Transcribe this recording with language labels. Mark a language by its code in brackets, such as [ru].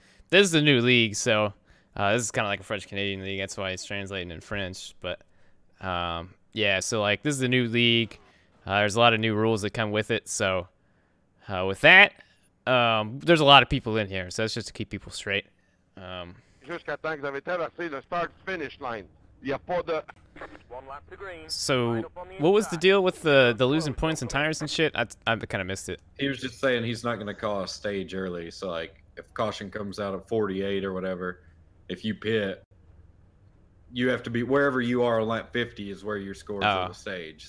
[en] This is a new league, so this is kind of like a French-Canadian league. That's why it's translating in French. But, this is a new league. There's a lot of new rules that come with it, so with that, there's a lot of people in here, so that's just to keep people straight. [fr] Jusqu'à temps que vous avez traversé le [en] start-finish line. [fr] Il y a pas de... [en] One lap to green. So, what was the deal with the losing points and tires and shit? I kind of missed it. He was just saying he's not going to call a stage early, so, like, if caution comes out at 48 or whatever, if you pit, you have to be wherever you are on lap 50 is where your score is on the stage.